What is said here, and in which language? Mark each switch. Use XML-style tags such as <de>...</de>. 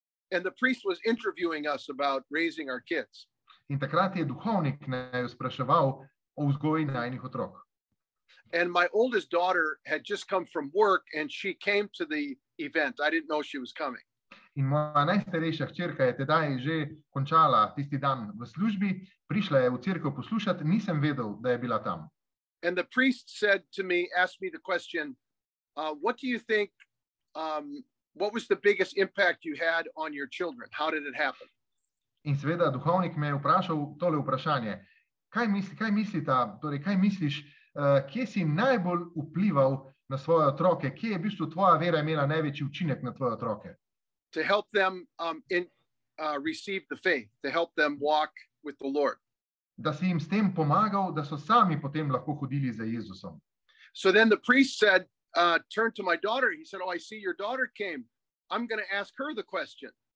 <en>And the priest was interviewing us about raising our kids.</en> <sl>In takrat je duhovnik naju spraševal o vzgoji najinih otrok.</sl> <en>And my oldest daughter had just come from work and she came to the event. I didn't know she was coming.</en> <sl>In moja najstarejša hčerka je tedaj že končala tisti dan v službi, prišla je v cerkev poslušati, nisem vedel, da je bila tam.</sl> <en>And the priest said to me, asked me the question, what do you think, what was the biggest impact you had on your children? How did it happen?</en> <sl>In seveda duhovnik me je vprašal tole vprašanje. Kaj misliš, kje si najbolj vplival na svoje otroke? Kje je v bistvu tvoja vera imela največji učinek na tvoje otroke?</sl> <en>To help them receive the faith, to help them walk with the Lord.</en> <sl>Da si jim s tem pomagal, da so sami potem lahko hodili za Jezusom.</sl> <en>So then the priest said, turned to my daughter. He said, oh, I see your daughter came. I'm going to ask her the question.</en>